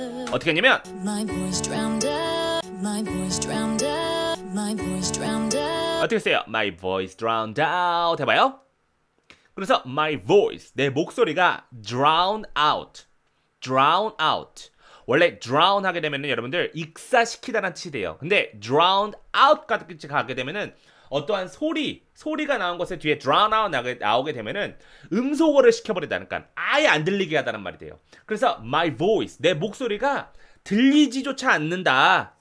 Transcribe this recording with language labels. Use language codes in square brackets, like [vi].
[ko] 어떻게 하냐면 어떻게 써요? [en] My voice drowned out. [ko] 해봐요. 그래서 my voice, 내 목소리가 drown out. [en] drown out. [ko] 원래 drown 하게 되면은 여러분들 익사시키다라는 뜻이 돼요. 근데 drown out 같이 가게 되면은 어떠한 소리가 나온 것에 뒤에 drown out 나오게 되면은 음소거를 시켜버린다는 건 아예 안 들리게 하다는 말이 돼요. 그래서 my voice, 내 목소리가 들리지조차 않는다.